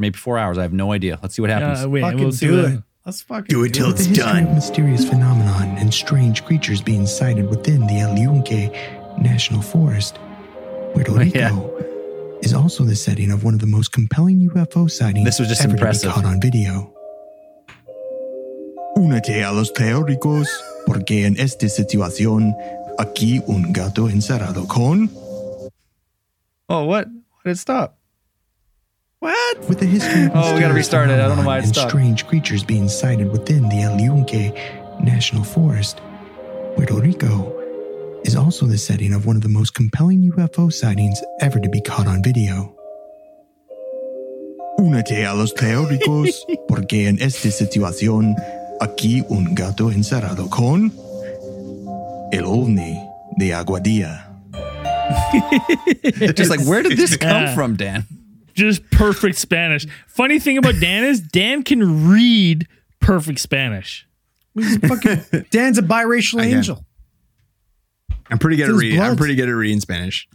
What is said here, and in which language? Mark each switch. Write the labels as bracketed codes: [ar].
[en] Maybe 4 hours. I have no idea. Let's see what happens. Let's do it till it's done. Mysterious phenomenon and strange creatures being sighted within the El Yunque National Forest. Puerto Rico is also the setting of one of the most compelling UFO sightings. This was just impressive. Caught on video. [es] Únete a los teóricos, porque en esta situación, aquí un gato encerrado con... [en] Oh, what? Why did it stop? What? With the history of we gotta restart it. I don't know why it stopped. Strange creatures being sighted within the El Yunque National Forest, Puerto Rico is also the setting of one of the most compelling UFO sightings ever to be caught on video. [es] Únete a los teóricos, porque en esta situación... Aquí un gato encerrado con el ovni de Aguadilla. [en] Just like, where did this come from, Dan? Just perfect Spanish. Funny thing about Dan is Dan can read perfect Spanish. Dan's a biracial angel. I'm pretty good at reading. I'm pretty good at reading Spanish.